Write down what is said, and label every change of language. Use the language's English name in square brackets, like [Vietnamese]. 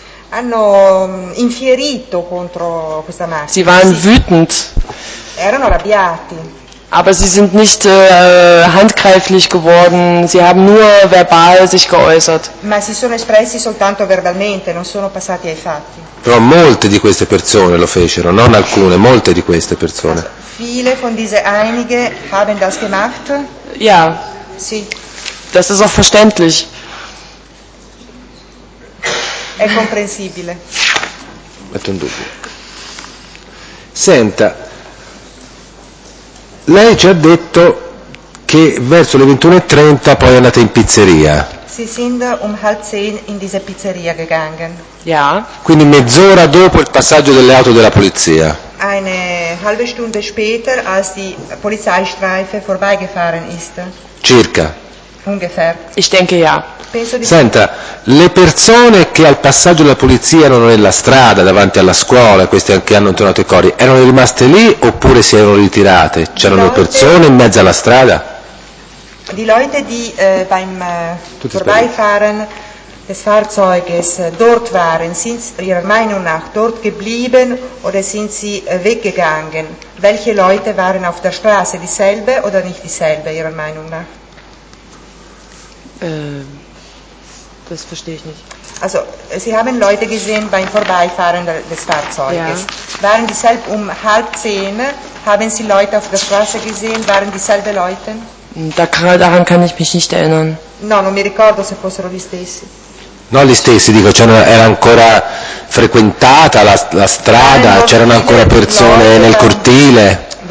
[Italian] Hanno infierito contro questa macchina. [German] Sie waren wütend. [Italian] Erano arrabbiati. [German] Aber sie sind nicht handgreiflich geworden, sie haben nur verbal sich geäußert. [Italian] Ma si sono espressi soltanto verbalmente, non sono passati ai fatti. Però molte di queste persone lo fecero, non alcune, molte di queste persone. [German] Viele von diese einige haben das gemacht. Ja. [Italian] Sì. [German] Das ist auch verständlich. [Italian] È comprensibile. Metto in dubbio. Senta. Lei ci ha detto che verso le 21:30 poi è andata in pizzeria. [German] Sie sind halb 10 in diese Pizzeria gegangen. Ja. [Italian] Quindi mezz'ora dopo il passaggio delle auto della polizia. [German] Eine halbe Stunde später, als die Polizeistreife vorbeigefahren ist. [Italian] Circa. [German] Ungefähr. Ich denke ja. [Italian] Senta, le persone che al passaggio della polizia erano nella strada davanti alla scuola, questi che hanno intonato i cori, erano rimaste lì oppure si erano ritirate? C'erano persone in mezzo alla strada? [German] Di Leute die beim vorbeifahren des Fahrzeuges dort waren, sind ihrer Meinung nach dort geblieben oder sind sie weggegangen? Welche Leute waren auf der Straße, dieselbe oder nicht dieselbe ihrer Meinung nach? Das verstehe ich nicht. Also, Sie haben Leute gesehen beim Vorbeifahren des Fahrzeuges. Ja. Waren dieselben um 9:30 haben Sie Leute auf der Straße gesehen? Waren dieselben Leute? Daran kann ich mich nicht erinnern. [Italian] No, non mi ricordo se fossero gli stessi. No, gli stessi, dico, c'era, era ancora frequentata la strada, c'erano ancora persone nel cortile.